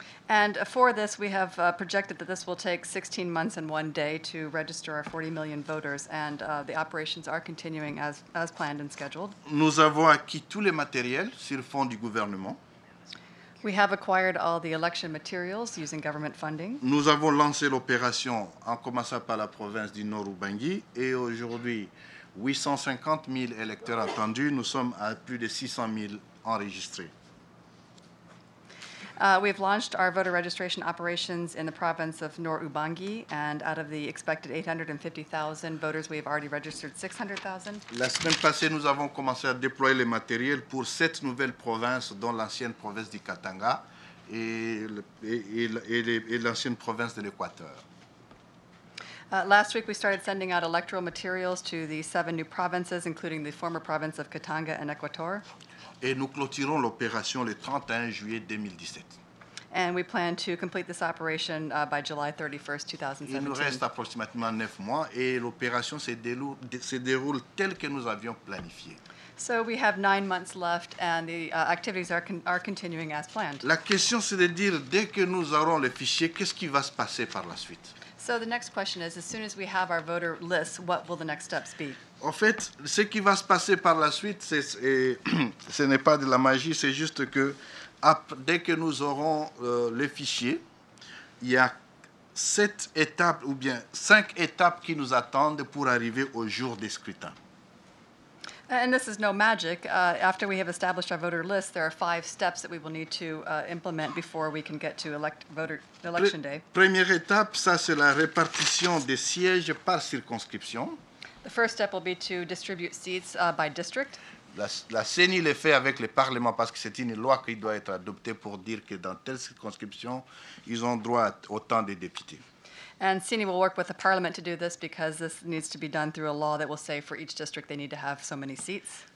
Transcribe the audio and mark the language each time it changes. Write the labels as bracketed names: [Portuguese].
[English] And for this, we have projected that this will take 16 months and one day to register our 40 million voters, and the operations are continuing as planned and scheduled. [French] Nous avons acquis tous les matériels sur fonds du gouvernement. [English] We have acquired all the election materials using government funding. [French] Nous avons lancé l'opération en commençant par la province du Nord Ubangi et aujourd'hui 850 000 électeurs attendus, nous sommes à plus de 600 000 enregistrés. [English] We've launched our voter registration operations in the province of Nord Ubangi, and out of the expected 850,000 voters, we have already registered 600,000. [French] La semaine passée, nous avons commencé à déployer le matériel pour 7 nouvelles provinces, dont l'ancienne province du Katanga et l'ancienne province de l'Équateur. [English] Last week, we started sending out electoral materials to the 7 new provinces, including the former province of Katanga and Equator. [French] Et nous clôturons l'opération le 31 juillet 2017. [English] And we plan to complete this operation by July 31st, 2017. [French] Il nous reste approximativement 9 mois et l'opération se déroule telle que nous avions planifié. [English] So we have 9 months left and the activities are continuing as planned. [French] La question c'est de dire dès que nous aurons le fichier, qu'est-ce qui va se passer par la suite? [English] So the next question is, as soon as we have our voter list, what will the next steps be? [French] En fait, ce qui va se passer par la suite, ce n'est pas de la magie, c'est juste que dès que nous aurons le fichier, il y a 7 étapes ou bien 5 étapes qui nous attendent pour arriver au jour des scrutins. [English] And this is no magic. After we have established our voter list, there are 5 steps that we will need to implement before we can get to election day. [French] Première étape, ça c'est la répartition des sièges par circonscription. [English] The first step will be to distribute seats by district. [French] La CENI le fait avec le Parlement parce que c'est une loi qui doit être adoptée pour dire que dans telle circonscription, ils ont droit à autant de députés. [English] And CENI will work with the Parliament to do this because this needs to be done through a law that will say for each district they need to have so many seats.